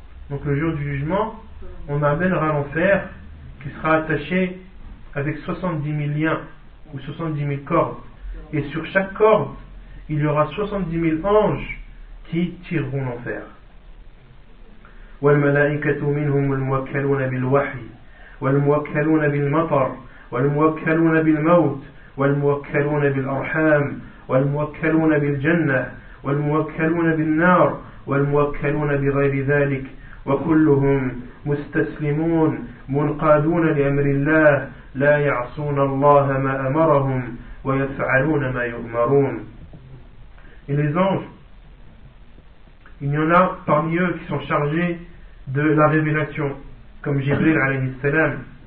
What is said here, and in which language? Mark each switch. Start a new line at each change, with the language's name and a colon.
French: Donc le jour du jugement, on amènera l'enfer qui sera attaché avec 70 000 liens ou 70 000 cordes. Et sur chaque corde, il y aura 70 000 anges qui tireront l'enfer.
Arabic: وَالْمَلَائِكَةُ مِنْهُمُ الْمُوَكَّلُونَ بِالْوَحِي وَالْمُوَكَّلُونَ بِالْمَطَرِ وَالْمُوَكَّلُونَ بِالْمَوْتِ والموكلون بالأرحام والموكلون بالجنة والموكلون بالنار والموكلون بغير ذلك وكلهم مستسلمون منقادون لأمر الله لا يعصون الله ما أمرهم ويفعلون ما يؤمرون.
French: Et les anges, il y en a parmi eux qui sont chargés de la révélation, comme Jibril عليه السلام.